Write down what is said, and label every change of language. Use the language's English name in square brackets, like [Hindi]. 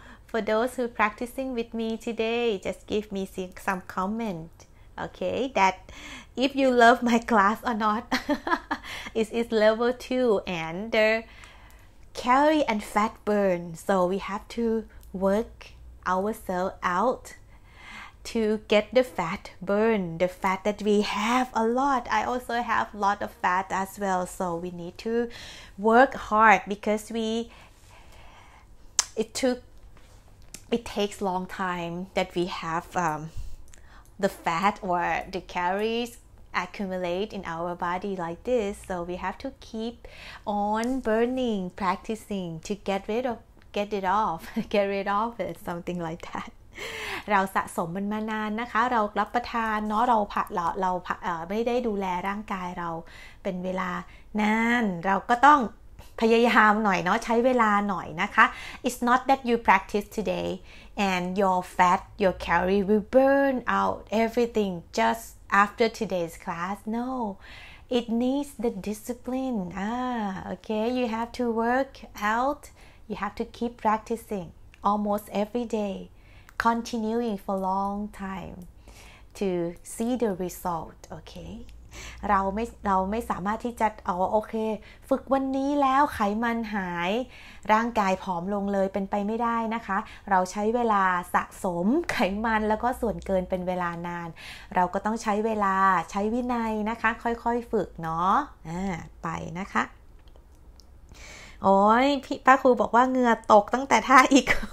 [English] For those who practicing with me today just give me some comment okay that if you love my class or not is level 2 and theCalorie and fat burn, so we have to work ourselves out to get the fat burn, the fat that we have a lot. I also have a lot of fat as well, so we need to work hard because it takes long time that we have the fat or the calories. Accumulate in our body like this so we have to keep on burning practicing to get rid of it something like that [Thai] เราสะสมมันมานานนะคะเรารับประทานเนาะเรา ไม่ได้ดูแลร่างกายเราเป็นเวลานานเราก็ต้องพยายามหน่อยเนาะใช้เวลาหน่อยนะคะ [English] It's not that you practice today and your fat your calorie will burn out everything justAfter today's class, no, it needs the discipline. Okay, you have to work out. You have to keep practicing almost every day, continuing for long time to see the result. [Thai] Okay, เราไม่สามารถที่จะเอาโอเคฝึกวันนี้แล้วไขมันหายร่างกายผอมลงเลยเป็นไปไม่ได้นะคะเราใช้เวลาสะสมไขมันแล้วก็ส่วนเกินเป็นเวลานานเราก็ต้องใช้เวลาใช้วินัยนะคะค่อยๆฝึกเนาะไปนะคะโอ้ยพี่ป้าครูบอกว่าเหงื่อตกตั้งแต่ท่าอีก